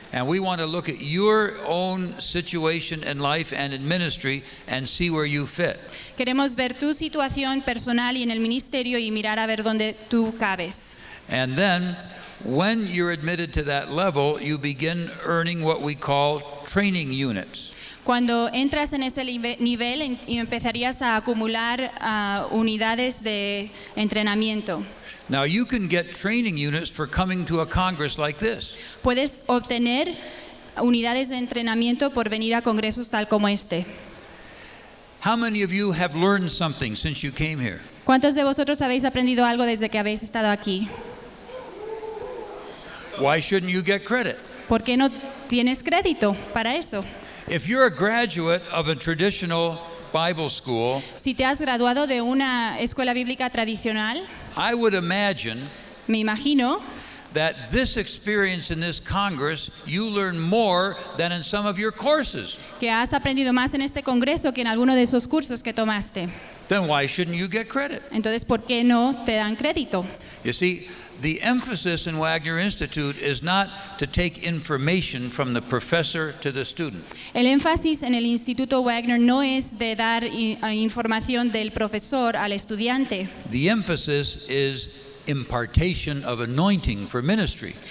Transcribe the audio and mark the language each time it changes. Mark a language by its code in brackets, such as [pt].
[en] And we want to look at your own situation in life and in ministry and see where you fit. [es] Queremos ver tu situación personal y en el ministerio y mirar a ver dónde tú cabes. [en] And then, when you're admitted to that level, you begin earning what we call training units. [es] Cuando entras en ese nivel y empezarías a acumular unidades de entrenamiento. [en] Now you can get training units for coming to a congress like this. [es] Puedes obtener unidades de entrenamiento por venir a congresos tal como este. [en] How many of you have learned something since you came here? [es] ¿Cuántos de vosotros habéis aprendido algo desde que habéis estado aquí? [en] Why shouldn't you get credit? [es] ¿Por qué no tienes crédito para eso? [en] If you're a graduate of a traditional Bible school, [es] si te has graduado de una escuela bíblica tradicional, [en] I would imagine, [es] me imagino, [en] that this experience in this Congress, you learn more than in some of your courses. [es] Que has aprendido más en este congreso que en alguno de esos cursos que tomaste. [en] Then why shouldn't you get credit? [es] Entonces, ¿por qué no te dan crédito? [en] You see, the emphasis in Wagner Institute is not to take information from the professor to the student. [es] El énfasis en el Instituto Wagner no es de dar información del profesor al estudiante. [en] The emphasis is impartation of anointing for ministry.